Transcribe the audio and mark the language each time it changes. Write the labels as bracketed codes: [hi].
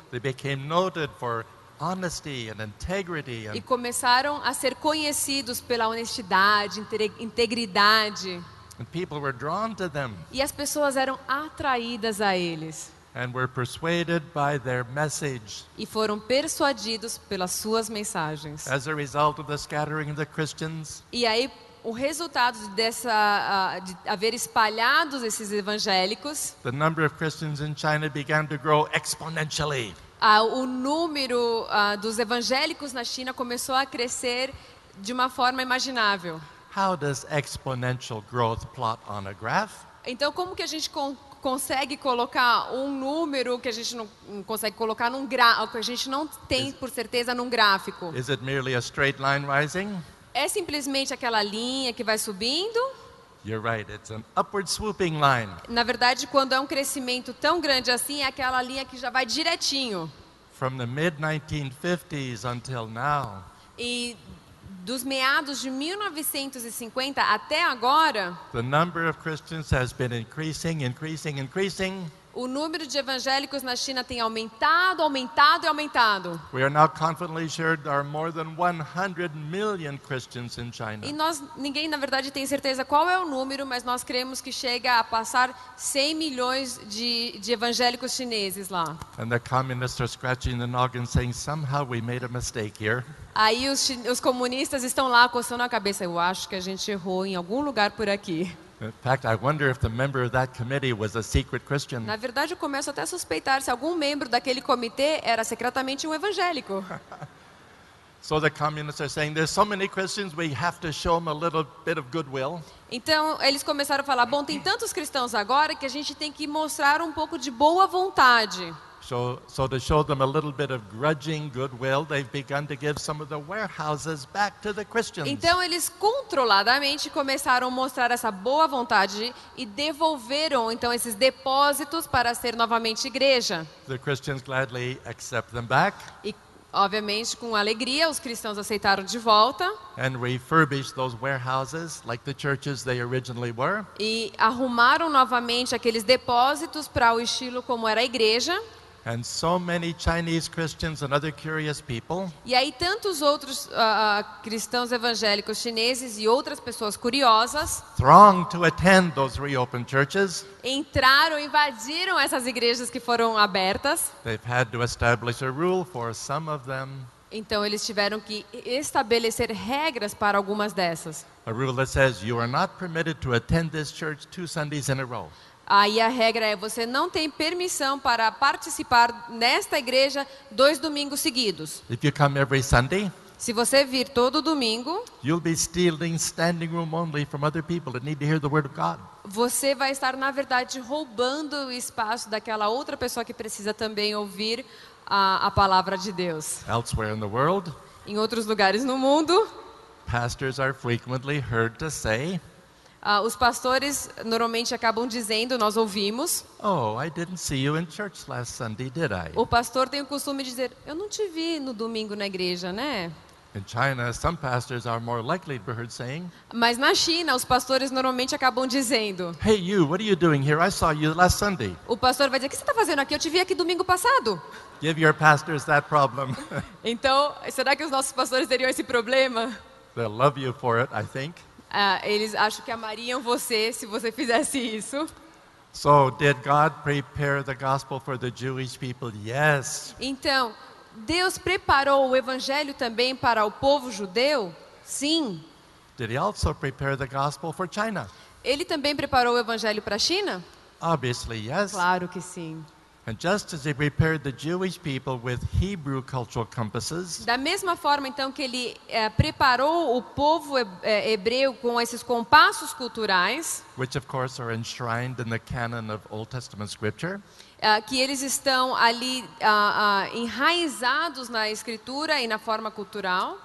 [en] They became noted for honesty and integrity and [pt] e começaram a ser conhecidos pela honestidade, integridade. [en] And people were drawn to them. [pt] E as pessoas eram atraídas a eles. [en] And were persuaded by their message. [pt] E foram persuadidos pelas suas mensagens. [en] As a result of the scattering of the Christians. [pt] E aí o resultado dessa de haver espalhados esses evangélicos. [en] The number of Christians in China began to grow exponentially. [pt] O número dos evangélicos na China começou a crescer de uma forma imaginável. [en] How does exponential growth plot on a graph? [pt] Então, como que a gente consegue colocar um número que a gente não consegue colocar num gráfico, que a gente não tem por certeza num gráfico? [en] Is it merely a straight line rising? [pt] É simplesmente aquela linha que vai subindo? [en] You're right, it's an upward swooping line. [pt] Na verdade, quando é um crescimento tão grande assim, é aquela linha que já vai direitinho. [en] From the mid 1950s until now. [pt] E dos meados de 1950 até agora, [en] the number of Christians has been increasing, increasing, increasing. [pt] O número de evangélicos na China tem aumentado, aumentado e aumentado. [en] We are now confidently sure there are more than 100 million Christians in China. [pt] E nós, ninguém na verdade tem certeza qual é o número, mas nós cremos que chega a passar 100 milhões de evangélicos chineses lá. [en] And the communists are scratching the noggin saying somehow we made a mistake here. [pt] Aí os comunistas estão lá coçando a cabeça, eu acho que a gente errou em algum lugar por aqui. [en] In fact, I wonder if the member of that committee was a secret Christian. [pt] Na verdade, eu começo até a suspeitar se algum membro daquele comitê era secretamente um evangélico. [en] So the communists are saying there's so many Christians we have to show them a little bit of goodwill. [pt] Então, eles começaram a falar, bom, tem tantos cristãos agora que a gente tem que mostrar um pouco de boa vontade. [en] So to show them a little bit of grudging goodwill, they've begun to give some of the warehouses back to the Christians. [pt] Então eles controladamente começaram a mostrar essa boa vontade e devolveram então esses depósitos para ser novamente igreja. [en] The Christians gladly accept them back. [pt] E obviamente com alegria os cristãos aceitaram de volta. [en] And refurbished those warehouses like the churches they originally were. [pt] E arrumaram novamente aqueles depósitos para o estilo como era a igreja. [en] And so many Chinese Christians and other curious people. [pt] E aí tantos outros cristãos evangélicos chineses e outras pessoas curiosas. [en] Thronged to attend those reopened churches. [pt] Entraram, invadiram essas igrejas que foram abertas. [en] They've had to establish a rule for some of them. [pt] Então eles tiveram que estabelecer regras para algumas dessas. [en] A rule that says you are not permitted to attend this church two Sundays in a row. [pt] Aí a regra é, você não tem permissão para participar nesta igreja dois domingos seguidos. [en] If you come every Sunday, [pt] se você vir todo domingo, [en] you'll be stealing standing room only from other people that need to hear the word of God. [pt] Você vai estar, na verdade, roubando o espaço daquela outra pessoa que precisa também ouvir a palavra de Deus. [en] Elsewhere in the world, [pt] em outros lugares no mundo, [en] pastors are frequently heard to say, [pt] Os pastores normalmente acabam dizendo, nós ouvimos. [en] Oh, I didn't see you in church last Sunday, did I? [pt] O pastor tem o costume de dizer, eu não te vi no domingo na igreja, né? [en] In China, some pastors are more likely to be heard saying. [pt] Mas na China, os pastores normalmente acabam dizendo. [en] Hey, you, what are you doing here? I saw you last Sunday. [pt] O pastor vai dizer, o que você está fazendo aqui? Eu te vi aqui domingo passado. [en] Give your pastors that problem. [pt] Então, será que os nossos pastores teriam esse problema? [en] They'll love you for it, I think. [pt] Eles acham que amariam você se você fizesse isso. [en] So, did God prepare the gospel for the Jewish people? Yes. [pt] Então, Deus preparou o evangelho também para o povo judeu? Sim. [en] Did he also prepare the gospel for China? [pt] Ele também preparou o evangelho para a China? [en] Obviously, yes. [pt] Claro que sim. [en] And just as he prepared the Jewish people with Hebrew cultural compasses, [pt] da mesma forma então que ele preparou o povo hebreu com esses compassos culturais, [en] which of course are enshrined in the canon of Old Testament scripture, [pt] que eles estão ali enraizados na escritura e na forma cultural,